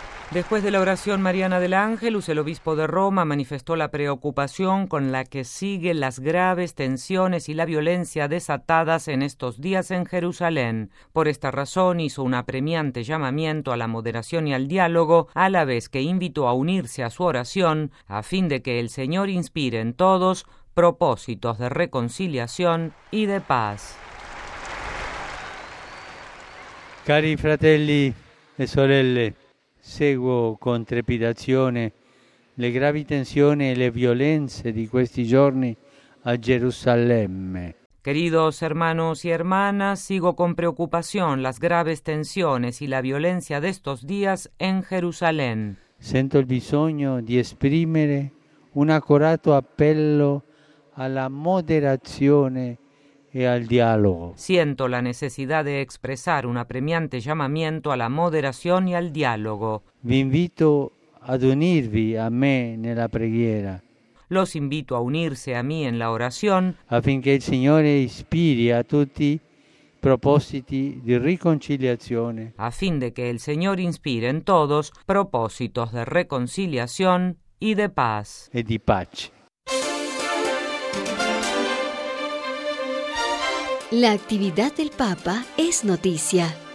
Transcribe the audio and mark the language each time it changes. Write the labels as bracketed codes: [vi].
[es] Después de la oración mariana del Ángelus, el obispo de Roma manifestó la preocupación con la que siguen las graves tensiones y la violencia desatadas en estos días en Jerusalén. Por esta razón, hizo un apremiante llamamiento a la moderación y al diálogo, a la vez que invitó a unirse a su oración, a fin de que el Señor inspire en todos propósitos de reconciliación y de paz. [it] Cari fratelli e sorelle, seguo con trepidazione le gravi tensioni e le violenze di questi giorni a Gerusalemme. [es] Queridos hermanos y hermanas, sigo con preocupación las graves tensiones y la violencia de estos días en Jerusalén. [it] Sento il bisogno di esprimere un accorato appello alla moderazione e al dialogo. [es] Siento la necesidad de expresar un apremiante llamamiento a la moderación y al diálogo. [it] Vi invito ad unirvi a me nella preghiera. [es] Los invito a unirse a mí en la oración, [it] affinché il Signore ispiri a tutti propositi di riconciliazione. [es] A fin de que el Señor inspire en todos propósitos de reconciliación y de paz. [it] E di pace. [es] La actividad del Papa es noticia.